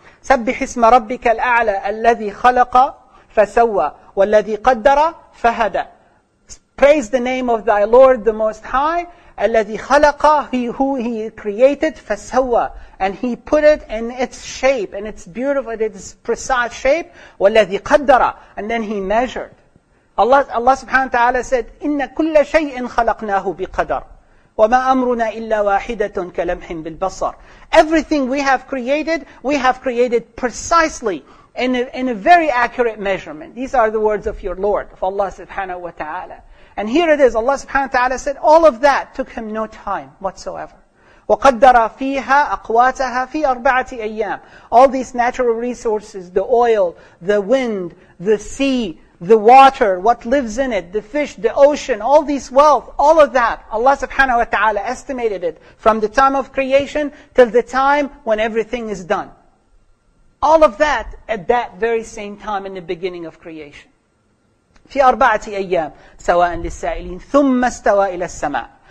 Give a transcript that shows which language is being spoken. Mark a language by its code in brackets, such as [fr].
[ar] سَبِّحِ اسْمَ رَبِّكَ الْأَعْلَى الَّذِي خَلَقَ فَسَوَّى وَالَّذِي قَدَّرَ فَهَدَى. [en] Praise the name of thy Lord, the Most High, [ar] الَّذِي خَلَقَ, [en] who he created, [ar] فَسَوَّى. [en] And he put it in its shape, in its beautiful, in its precise shape, [ar] وَالَّذِي قَدَّرَ. [en] And then he measured. Allah subhanahu wa ta'ala said, [ar] إِنَّ كُلَّ شَيْءٍ خَلَقْنَاهُ بِقَدَرٍ وَمَا أَمْرُنَا إِلَّا وَاحِدَةٌ كَلَمْحٍ بِالْبَصَرِ. [en] Everything we have created precisely in a very accurate measurement. These are the words of your Lord, of Allah subhanahu wa ta'ala. And here it is, Allah subhanahu wa ta'ala said, all of that took him no time whatsoever. [ar] وَقَدَّرَ فِيهَا أَقْوَاتَهَا فِي أَرْبَعَةِ أَيَّامٍ. [en] All these natural resources, the oil, the wind, the sea, the water, what lives in it, the fish, the ocean, all these wealth, all of that, Allah subhanahu wa ta'ala estimated it from the time of creation till the time when everything is done. All of that at that very same time in the beginning of creation. [ar] في أربعة أيام سواء للسائلين ثم استوى إلى السماء.